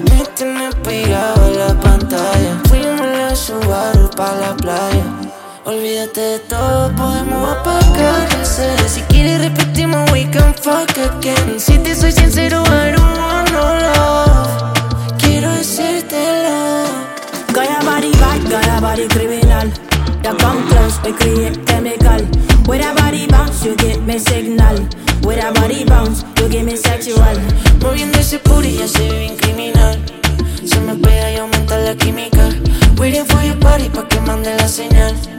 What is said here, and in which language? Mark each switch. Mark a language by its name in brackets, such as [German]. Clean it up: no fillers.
[Spanish] Me tienes pegado en la pantalla. Fuimos a Subaru pa' la playa. Olvídate de todo, podemos apagar el cel. Si quieres repetimos, [English] we can fuck again. [Spanish] Si te soy sincero, [English] I don't want no love. [Spanish] Quiero decírtelo. [English] Call your body back, call your body criminal. Ya come close, we create chemical. With a body bounce, you give me signal. With a body bounce, you give me sexual. [Spanish] Moviendo ese booty, ya se ve criminal. Se me pega y aumenta la química. [English] Waiting for your body [Spanish] pa' que mande la señal.